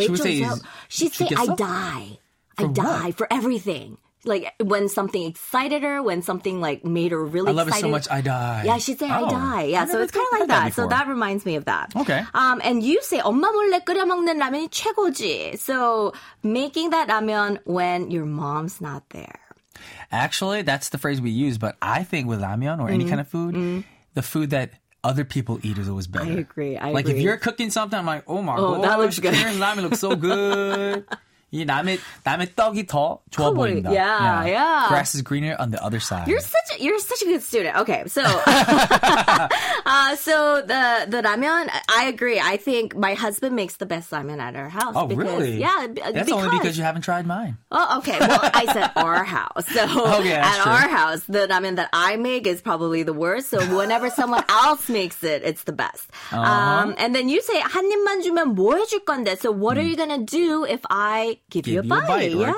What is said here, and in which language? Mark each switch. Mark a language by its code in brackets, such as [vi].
[en] Rachel Zoe. I die for everything. Like, when something excited her, when something, like, made her really excited. I love it so much, I die. Yeah, she'd say, I die. Yeah, so it's kind of like that. That so that reminds me of that. Okay. And you say, [ko] 엄마 몰래 끓여 먹는 라면이 최고지. [en] So making that ramen when your mom's not there. Actually, that's the phrase we use, but I think with ramen or any kind of food, the food that other people eat is always better. I agree. Like, if you're cooking something, I'm like, oh my gosh. That looks good. Karen's ramen looks so good. [ko] 이 남의 떡이 더 좋아 보인다. [en] Yeah. Grass is greener on the other side. You're such a good student. Okay, so so the ramen, I agree. I think my husband makes the best ramen at our house. Oh, because, really? Yeah. That's only because you haven't tried mine. Oh, okay. Well, I said our house. So our house, the ramen that I make is probably the worst. So whenever someone else makes it, it's the best. And then you say [ko] 한 입만 주면 뭐 해줄 건데. [en] So what are you gonna do if I give you a bite.